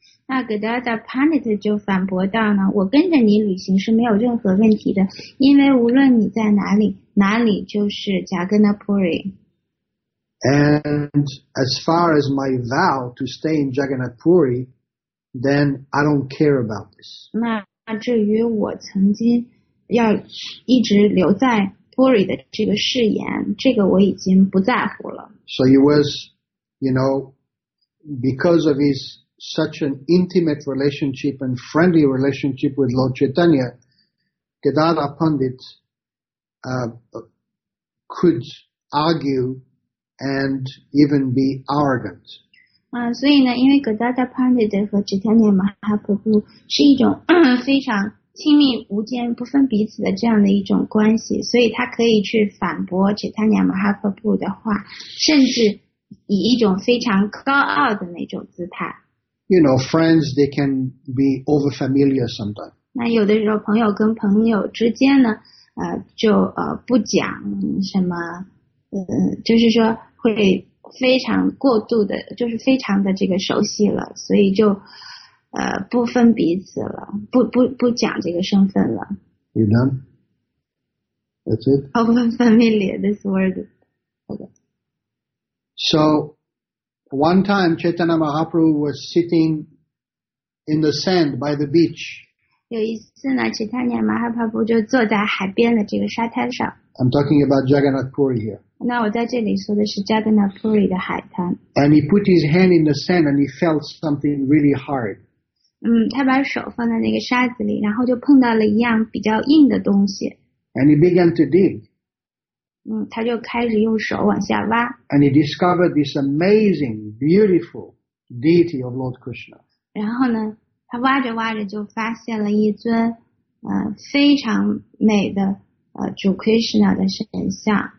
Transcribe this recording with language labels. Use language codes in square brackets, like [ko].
[zh] 那 Gadara Pandit 就反驳到呢，我跟着你旅行是没有任何问题的，因为无论你在哪里，哪里就是 Jagannath Puri. [en] And as far as my vow to stay in Jagannath Puri, then I don't care about this. [zh] 那至于我曾经要一直留在Puri 的这个誓言，这个我已经不在乎了。 [en] So he was, you know, because of his such an intimate relationship and friendly relationship with Lord Chaitanya, Gadara Pandit, could argue and even be arrogant. [zh] 所以呢，因为 Gadara Pandit 和 Chaitanya Mahaprabhu 是一种非常亲密无间不分彼此的这样的一种关系所以他可以去反驳 Chaitanya Mahaprabhu 的话甚至以一种非常高傲的那种姿态 [en] You know, friends, they can be over familiar sometimes [zh] 那有的时候朋友跟朋友之间呢就不讲什么就是说会非常过度的就是非常的这个熟悉了所以就不分彼此了不讲这个身份了 [en] You done? That's it? Open family, this word. Okay. So, one time, Chaitanya Mahaprabhu was sitting in the sand by the beach. [zh] 有一次呢 Chaitanya Mahaprabhu 就坐在海边的这个沙滩上 [en] I'm talking about Jagannath Puri here. [zh] 那我在这里说的是 Jagannath Puri 的海滩 [en] And he put his hand in the sand and he felt something really hard. [zh] 他把手放在那个沙子里然后就碰到了一样比较硬的东西。 [en] And he began to dig. [zh] 他就开始用手往下挖。 [en] And he discovered this amazing, beautiful deity of Lord Krishna. [zh] 然后呢他挖着挖着就发现了一尊非常美的主 Krishna 的神像。